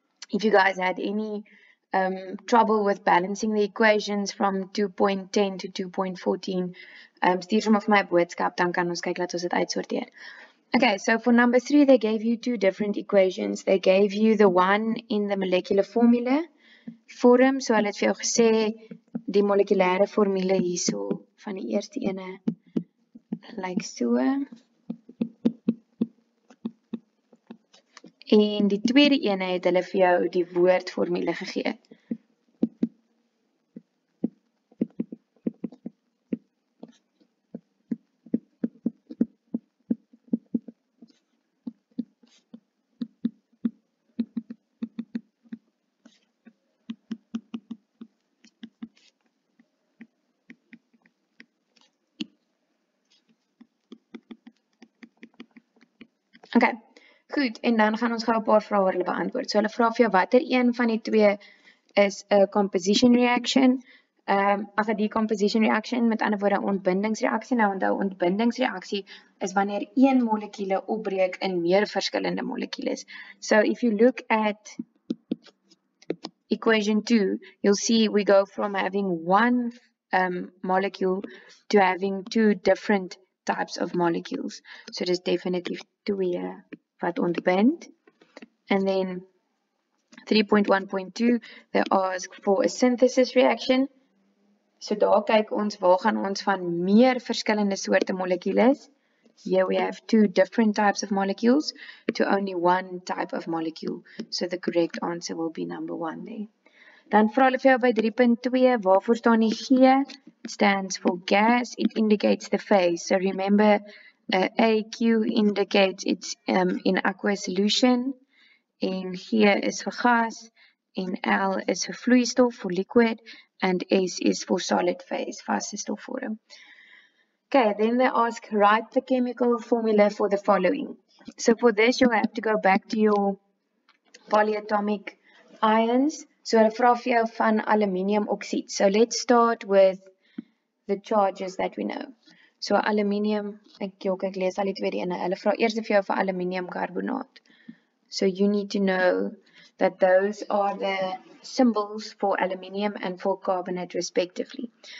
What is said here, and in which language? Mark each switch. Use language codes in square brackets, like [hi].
[en] If you guys had any trouble with balancing the equations from 2.10 to 2.14. [af] Stuur hom of my boodskap, dan kan ons kyk dat ons dit uitsorteer. [en] Okay, so for number 3, they gave you 2 different equations. They gave you the one in the molecular formula forum. [af] So hulle het vir jou gesê die molekulêre formule hierso van die eerste ene lyk so. En die tweede ene het hulle vir jou die woordformule gegee. Okay. Goed, en dan gaan ons gou 'n paar vrae oor hulle beantwoord. So hulle vra vir jou watter een van die twee is 'n composition reaction. Ag, 'n decomposition reaction, met ander woorde 'n ontbindingsreaksie. Nou onthou, ontbindingsreaksie is wanneer een molekuule opbreek in meer verskillende molekules. [en] So if you look at equation 2, you'll see we go from having one molecule to having two different types of molecules. [af] So dis definitief 2 wat ontbind. [en] And then 3.1.2, they ask for a synthesis reaction. [af] So daar kyk ons waar gaan ons van meer verskillende soorte molekules. [en] Here we have two different types of molecules to only one type of molecule. So the correct answer will be number 1 there. [af] Dan vra hulle vir jou by 3.2, waarvoor staan die G? [en] It stands for gas. It indicates the phase. So remember, AQ indicates it's in aqueous solution, [af] en G is vir gas, en L is vir vloeistof, [en] for liquid, and S is for solid phase, [af] vaste stofvorm. [en] Okay, then they ask, write the chemical formula for the following. So for this, you have to go back to your polyatomic ions. [af] So hulle vra vir jou van aluminium oksied. [en] So let's start with the charges that we know. [af] So aluminium, ek lees al die twee ene. Hulle vra eers vir jou vir aluminium karbonaat. [en] So you need to know that those are the symbols for aluminium and for carbonate respectively.